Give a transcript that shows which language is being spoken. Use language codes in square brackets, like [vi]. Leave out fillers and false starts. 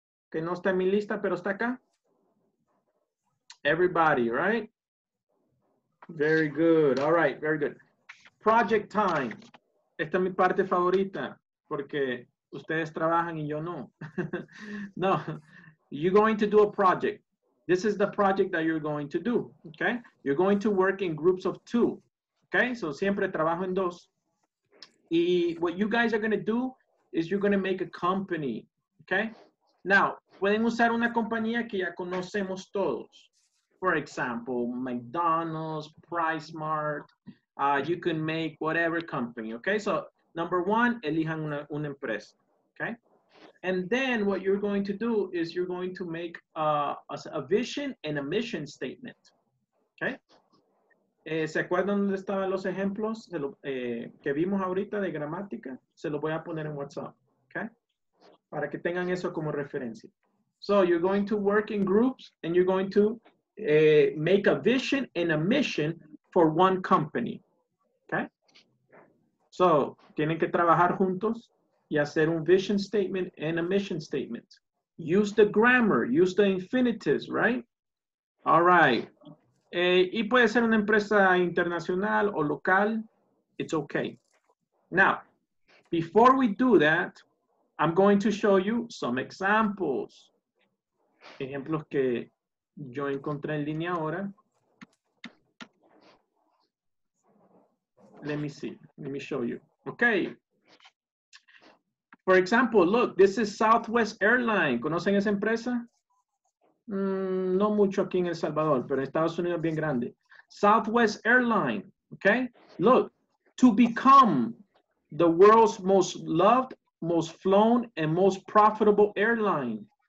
[es] Que no está en mi lista, pero está acá. [en] Everybody, right? Very good. All right, very good. Project time. [es] Esta es mi parte favorita, porque ustedes trabajan y yo no. [en] No. You're going to do a project. This is the project that you're going to do, okay? You're going to work in groups of two, okay? So [es] siempre trabajo en dos. Y [en] what you guys are going to do is you're going to make a company, okay? Now, [es] pueden usar una compañía que ya conocemos todos. [en] For example, McDonald's, Price Mart. You can make whatever company, okay? So number one, [es] elijan una empresa, [en] okay? And then what you're going to do is you're going to make a vision and a mission statement, okay? [es] ¿Se acuerdan dónde estaban los ejemplos que vimos ahorita de gramática? Se los voy a poner en WhatsApp, okay? Para que tengan eso como referencia. [en] So you're going to work in groups and you're going to make a vision and a mission for one company, okay? [es] So tienen que trabajar juntos. Y hacer un [en] vision statement and a mission statement. Use the grammar, use the infinitives, right? All right. [es] Y puede ser una empresa internacional o local. [en] It's okay. Now, before we do that, I'm going to show you some examples. [es] Ejemplos que yo encontré en línea ahora. [en] Let me see. Let me show you. Okay. For example, look, this is Southwest Airlines. [es] ¿Conocen esa empresa? No mucho aquí en El Salvador, pero en Estados Unidos bien grande. [en] Southwest Airlines, okay? Look, to become the world's most loved, most flown, and most profitable airline.